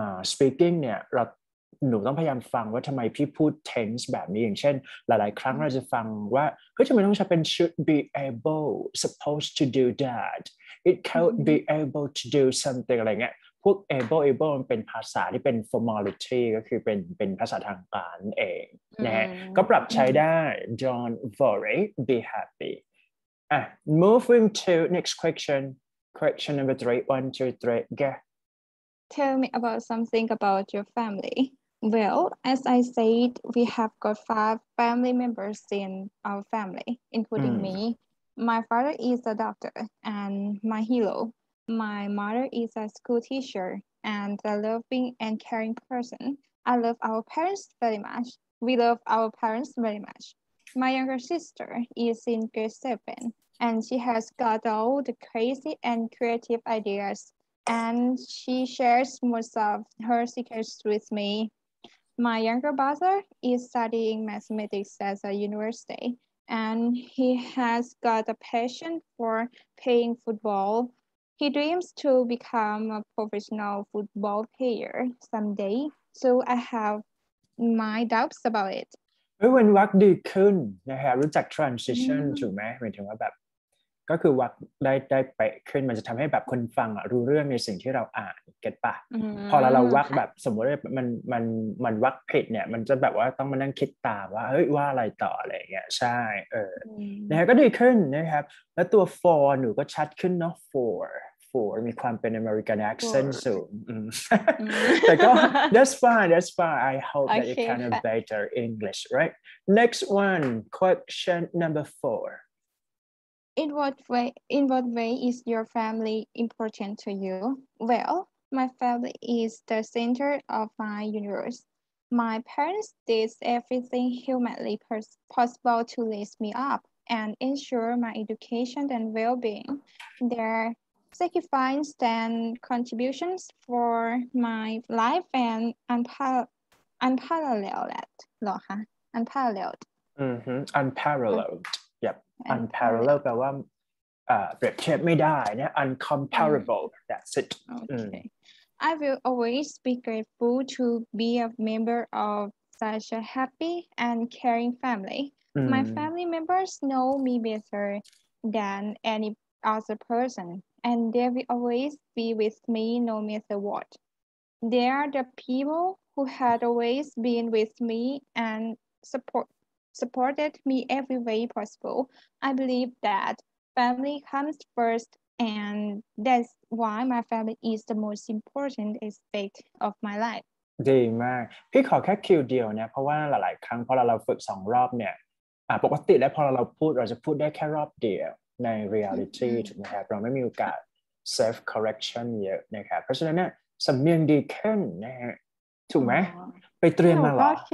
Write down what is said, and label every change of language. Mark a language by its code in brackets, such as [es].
[th] speaking เนี่ยเราหนูต้องพยายามฟังว่าทำไมพี่พูด tense แบบนี้อย่างเช่นหลายๆครั้งเราจะฟังว่าเฮ้ยทำไมต้องใช้เป็น [en] should be able supposed to do that it can't be able to do something [th] อะไรเงี้ยพวก able มันเป็นภาษาที่เป็น formality ก็คือเป็นภาษาทางการเองนะฮะก็ปรับใช้ได้ [en] don't worry be happy moving to next question number 3 1 2 3 tell me about something about your familyWell, as I said, we have got 5 family members in our family, including me. My father is a doctor and my hero. My mother is a school teacher and a loving and caring person. I love our parents very much. We love our parents very much. My younger sister is in grade 7 and she has got all the crazy and creative ideas. And she shares most of her secrets with me. My younger brother is studying mathematics at a university, and he has got a passion for playing football. He dreams to become a professional football player someday, so I have my doubts about it. When you work [th] ดีขึ้นนะฮะรู้จัก transition ถูกไหมหมายถึงว่าแบบก็คือวักได้เป๊ะขึ้นมันจะทำให้แบบคนฟังอ่ะรู้เรื่องในสิ่งที่เราอ่านเก็ตป่ะพอเราวักแบบสมมติว่ามันวักผิดเนี่ยมันจะแบบว่าต้องมานั่งคิดตามว่าเฮ้ยว่าอะไรต่ออะไรอย่างเงี้ยใช่ นะฮะก็ดีขึ้นนะครับแล้วตัว for หนูก็ชัดขึ้นเนาะ for มีความเป็น American accent สูงแต่ก็ [en] that's fine I hope that you can better English right next one question number 4 In what way is your family important to you? Well, my family is the center of my universe. My parents did everything humanly possible to raise me up and ensure my education and well-being. Their sacrifices and contributions for my life and unparalleled. Mm-hmm. [th] Unparalleled แปลว่าเปรียบเทียบไม่ได้นะ [en] uncomparable that's it okay. I will always be grateful to be a member of such a happy and caring family my family members know me better than any other person and they will always be with me no matter what they are the people who had always been with me and supported me every way possible. I believe that family comes first, and that's why my family is the most important aspect of my life. [th] ดีมากพี่ขอแค่คิวเดียวเนี่ยเพราะว่าหลายครั้งพอเราฝึก2รอบเนี่ยปกติแล้วพอเราพูดเราจะพูดได้แค่รอบเดียวใน reality ถูกไหมครับเราไม่มีโอกาส self correction เยอะนะครับเพราะฉะนั้นเนี่ยสำเนียงดีขึ้นนะฮะถูกไหมไปเตรียมมาหรอ